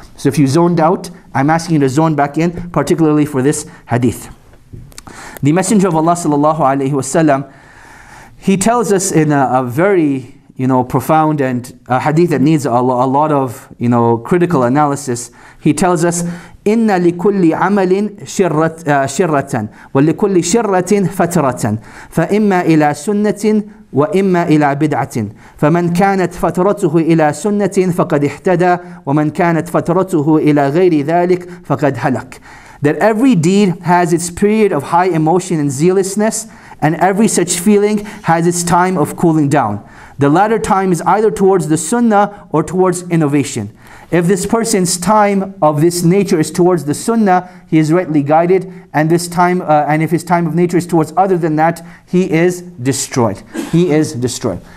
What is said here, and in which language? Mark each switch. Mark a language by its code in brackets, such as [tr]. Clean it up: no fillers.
[en] So if you zoned out, I'm asking you to zone back in, particularly for this hadith. The Messenger of Allah sallallahu alayhi wasallam, he tells us in a very, you know, profound and a hadith that needs a lot of, you know, critical analysis. He tells us, [ar] إن لكل عمل شرة ولكل شرة فترة فإما إلى سنة وإما إلى بدعة فمن كانت فترته إلى سنة فقد اهتدى ومن كانت فترته إلى غير ذلك فقد هلك. [en] That every deed has its period of high emotion and zealousness, and every such feeling has its time of cooling down. The latter time is either towards the sunnah or towards innovation. If this person's time of this nature is towards the sunnah, he is rightly guided, and this time, and if his time of nature is towards other than that, he is destroyed. He is destroyed.